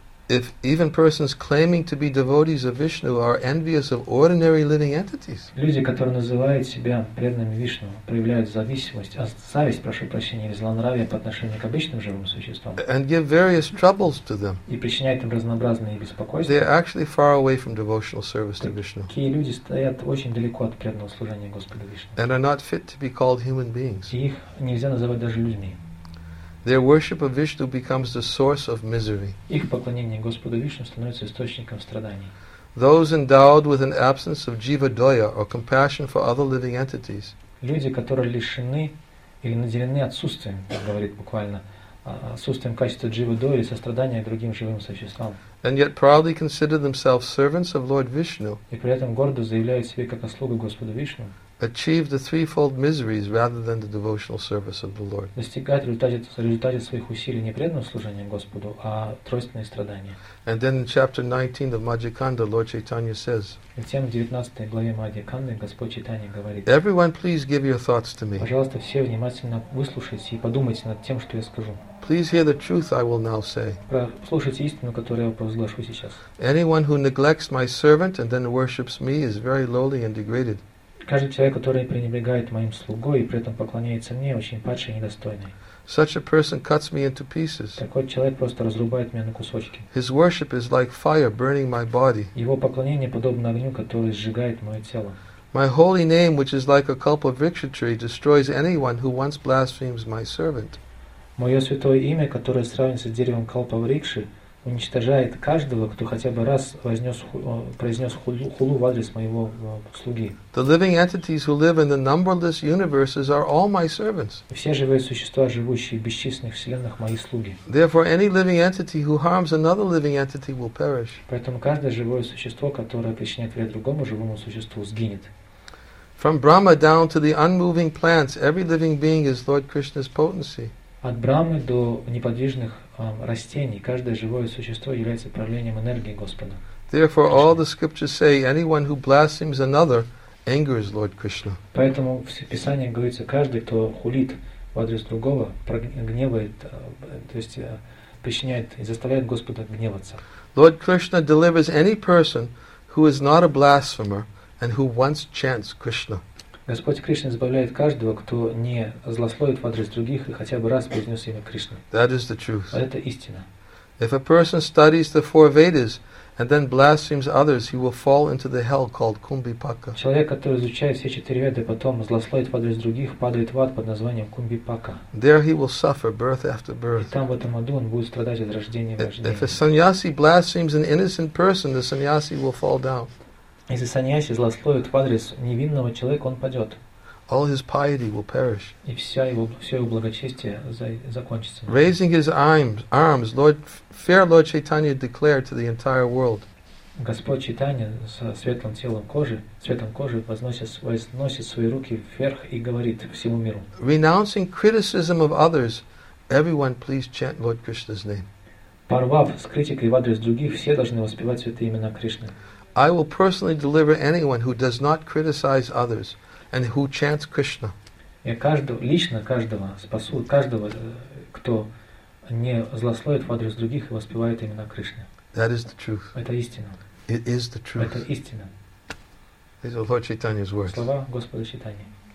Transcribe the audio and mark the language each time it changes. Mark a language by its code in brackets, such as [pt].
[en] if even persons claiming to be devotees of Vishnu are envious of ordinary living entities. [ru] Люди, которые называют себя преданными Вишну, проявляют зависимость, а зависть, прошу прощения, или злонравие по отношению к обычным живым существам. [en] And give various troubles to them. [ru] И причиняют им разнообразные беспокойства. [en] They are actually far away from devotional service to Vishnu. [ru] Такие люди стоят очень далеко от преданного служения Господу Вишну. [en] And are not fit to be called human beings. [ru] И их нельзя называть даже людьми. [en] Their worship of Vishnu becomes the source of misery. [ru] Их поклонение Господу Вишну становится источником страданий. [en] Those endowed with an absence of jiva doya or compassion for other living entities. [ru] Люди, которые лишены или наделены отсутствием, говорит буквально, отсутствием качества jiva doya, сострадания другим живым существам. [en] And yet proudly consider themselves servants of Lord Vishnu. [ru] И при этом гордо заявляют себе как о слугах Господа Вишну. [en] Achieve the threefold miseries rather than the devotional service of the Lord. [ru] Достигать результате своих усилий не преданного служения Господу, а тройственные страдания. [en] And then in chapter 19 of Majjhikanda, Lord Chaitanya says. [ru] Затем в 19 главе Маджхиканды Господь Чайтанья говорит. [en] Everyone, please give your thoughts to me. [ru] Пожалуйста, все внимательно выслушайте и подумайте над тем, что я скажу. [en] Please hear the truth I will now say. [ru] Слушайте истину, которую я провозглашу сейчас. [en] Anyone who neglects my servant and then worships me is very lowly and degraded. [ru] Каждый человек, который пренебрегает моим слугой и при этом поклоняется мне, очень падший и недостойный. [en] Such a person cuts me into pieces. [ru] Такой человек просто разрубает меня на кусочки. [en] His worship is like fire burning my body. [ru] Его поклонение подобно огню, который сжигает мое тело. [en] My holy name, which is like a cup of victory tree, destroys anyone who once blasphemes my servant. [ru] Мое святое имя, которое сравнится с деревом калпа врикши, уничтожает каждого, кто хотя бы раз произнес хулу в адрес моего слуги. [en] The living entities who live in the numberless universes are all my servants. [ru] Все живые существа, живущие в бесчисленных вселенных, мои слуги. [en] Therefore, any living entity who harms another living entity will perish. [ru] Поэтому каждое живое существо, которое причиняет вред другому живому существу, сгинет. [en] From Brahma down to the unmoving plants, every living being is Lord Krishna's potency. [ru] От Брамы до неподвижных растений каждое живое существо является проявлением энергии Господа. [en] Therefore, all the scriptures say anyone who blasphemes another angers Lord Krishna. [ru] Поэтому в Писании говорится, каждый, кто хулит в адрес другого, гневает, то есть причиняет и заставляет Господа гневаться. [en] Lord Krishna delivers any person who is not a blasphemer and who once chants Krishna. [ru] Господь Кришна избавляет каждого, кто не злословит в адрес других и хотя бы раз произнес имя Кришны. [en] That is the truth. [ru] Это истина. [en] If a person studies the four Vedas and then blasphemes others, he will fall into the hell called Kumbhipaka. [ru] Человек, который изучает все четыре Веды, потом злословит в адрес других, падает в ад под названием Кумбипака. [en] There he will suffer birth after birth. [ru] И там в этом аду он будет страдать от рождения в рождение. [en] If a sannyasi blasphemes an innocent person, the sannyasi will fall down. [ru] Если саньяси злословит в адрес невинного человека, он падет. [en] All his piety will perish. [ru] И все его благочестие закончится. [en] Raising his arms, fair Lord Chaitanya declared to the entire world. [ru] Господь Чайтанья со светлым телом кожи, светом кожи возносит свои руки вверх и говорит всему миру. [en] Renouncing criticism of others, everyone please chant Lord Krishna's name. [ru] Порвав с критикой в адрес других, все должны воспевать святые имена Кришны. [en] I will personally deliver anyone who does not criticize others and who chants Krishna. [ru] Я лично каждого спасу, каждого, кто не злословит в адрес других и воспевает имена Кришны. [en] That is the truth. [ru] Это истина. [en] It is the truth. [ru] Это истина. [en] These are Lord Chaitanya's words. [ru] Слова Господа Чайтаньи.